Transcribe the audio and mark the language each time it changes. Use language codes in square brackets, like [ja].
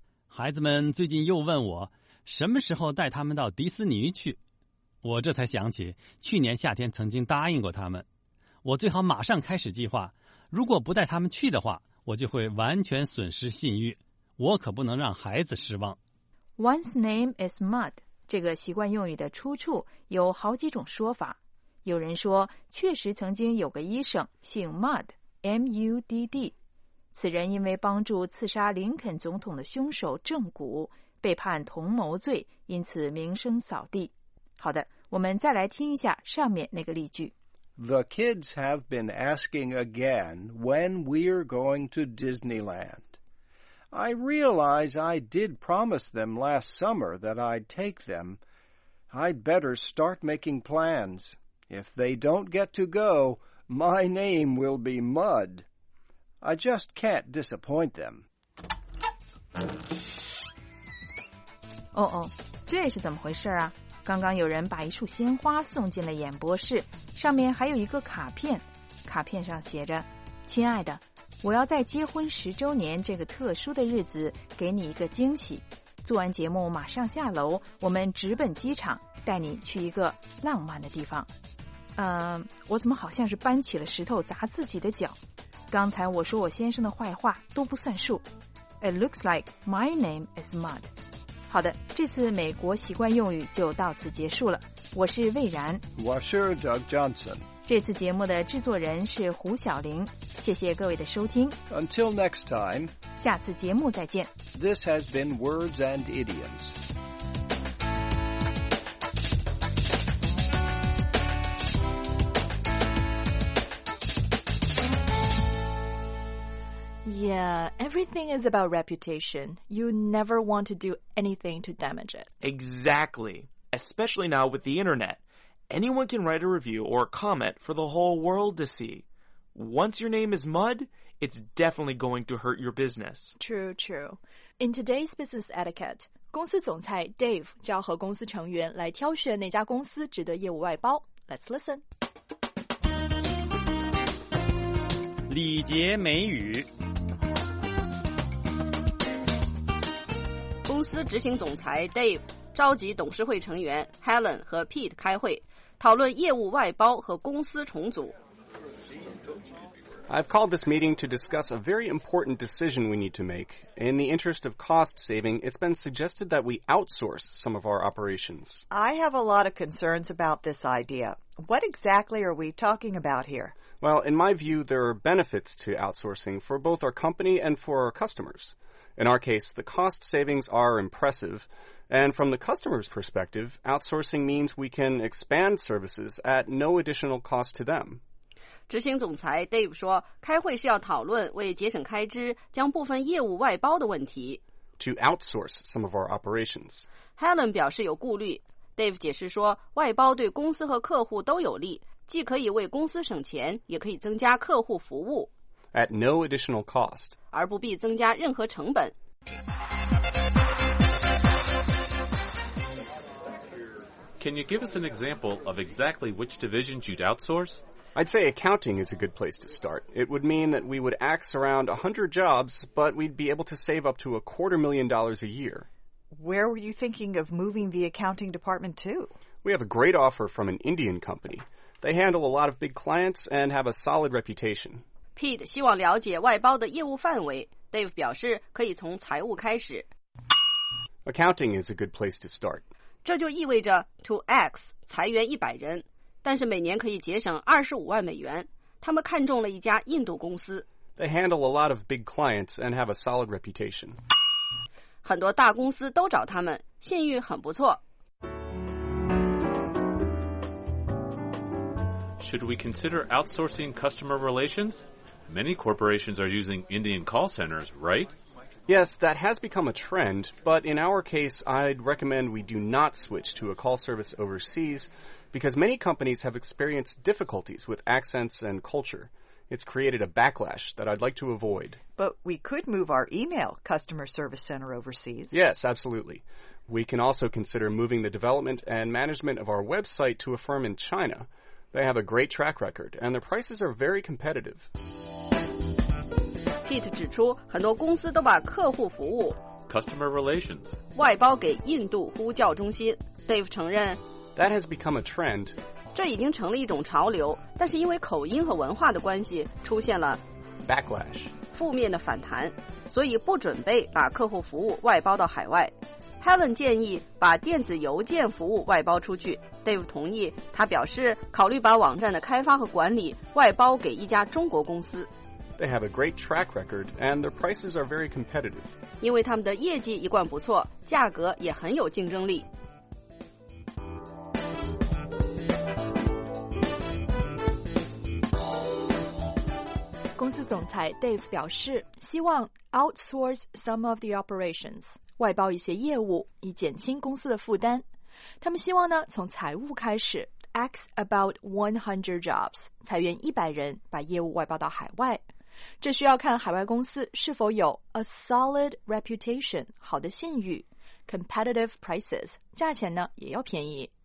[zh] 孩子们最近又问我什么时候带他们到迪士尼去。我这才想起去年夏天曾经答应过他们，我最好马上开始计划。如果不带他们去的话，我就会完全损失信誉。我可不能让孩子失望。 [en] One's name is Mud. [zh] 这个习惯用语的出处有好几种说法。有人说，确实曾经有个医生姓 Mud, M-U-D-D。此人因为帮助刺杀林肯总统的凶手正骨，被判同谋罪，因此名声扫地。好的，我们再来听一下上面那个例句。 [en] The kids have been asking again when we're going to Disneyland. I realize I did promise them last summer that I'd take them. I'd better start making plans. If they don't get to go, my name will be Mud. I just can't disappoint them. [zh] 哦哦，这是怎么回事啊？刚刚有人把一束鲜花送进了演播室，上面还有一个卡片，卡片上写着：亲爱的，我要在结婚十周年这个特殊的日子给你一个惊喜。做完节目马上下楼，我们直奔机场，带你去一个浪漫的地方。我怎么好像是搬起了石头砸自己的脚？刚才我说我先生的坏话都不算数。 [en] It looks like my name is Mud. [zh] 好的，这次美国习惯用语就到此结束了。我是魏然。我是 Doug Johnson。这次节目的制作人是胡晓玲。谢谢各位的收听。 [en] Until next time. [zh] 下次节目再见。 [en] This has been Words and Idioms. Yeah, everything is about reputation. You never want to do anything to damage it. Exactly. Especially now with the internet. Anyone can write a review or a comment for the whole world to see. Once your name is Mud, it's definitely going to hurt your business. True, true. In today's business etiquette, [zh] 公司总裁 Dave 就要和公司成员来挑选哪家公司值得业务外包。 [en] Let's listen. [zh] 礼节美语公司执行总裁 Dave 召集董事会成员 Helen 和 Pete 开会，讨论业务外包和公司重组。 [en] I've called this meeting to discuss a very important decision we need to make. In the interest of cost saving, it's been suggested that we outsource some of our operations. I have a lot of concerns about this idea. What exactly are we talking about here? Well, in my view, there are benefits to outsourcing for both our company and for our customers. In our case, the cost savings are impressive, and from the customer's perspective, outsourcing means we can expand services at no additional cost to them. [zh] 执行总裁 Dave 说，开会是要讨论为节省开支将部分业务外包的问题。 [en] To outsource some of our operations. [zh] Helen 表示有顾虑。Dave 解释说，外包对公司和客户都有利，既可以为公司省钱，也可以增加客户服务。 [en] At no additional cost. [zh] 而不必增加任何成本。 [en] Can you give us an example of exactly which divisions you'd outsource? I'd say accounting is a good place to start. It would mean that we would axe around 100 jobs, but we'd be able to save up to $250,000 a year. Where were you thinking of moving the accounting department to? We have a great offer from an Indian company. They handle a lot of big clients and have a solid reputation. [zh] Pete 希望了解外包的业务范围。Dave 表示可以从财务开始。 [en] Accounting is a good place to start. [zh] 这就意味着 to X 裁员100人，但是每年可以节省$250,000。他们看中了一家印度公司。 [en] They handle a lot of big clients and have a solid reputation. [zh] 很多大公司都找他们，信誉很不错。 [en] Should we consider outsourcing customer relations? Many corporations are using Indian call centers, right? Yes, that has become a trend, but in our case, I'd recommend we do not switch to a call service overseas because many companies have experienced difficulties with accents and culture. It's created a backlash that I'd like to avoid. But we could move our email customer service center overseas. Yes, absolutely. We can also consider moving the development and management of our website to a firm in China. They have a great track record, and their prices are very competitive. [zh] Pete 指出，很多公司都把客户服务 [en] customer relations [zh] 外包给印度呼叫中心。Dave 承认 [en] that has become a trend. [zh] 这已经成了一种潮流，但是因为口音和文化的关系，出现了 [en] backlash [zh] 负面的反弹，所以不准备把客户服务外包到海外。 Helen 建议把电子邮件服务外包出去。 Dave 同意，他表示考虑把网站的开发和管理外包给一家中国公司。 [en] They have a great track record and their prices are very competitive. [zh] 因为他们的业绩一贯不错，价格也很有竞争力。公司总裁 Dave 表示，希望 [en] outsource some of the operations. [zh] 外包一些业务以减轻公司的负担。他们希望呢从财务开始 , [en] axe about 100 jobs, [zh] 裁员100人把业务外包到海外。这需要看海外公司是否有 [en] a solid reputation, [zh] 好的信誉 , [en] competitive prices, [zh] 价钱呢也要便宜。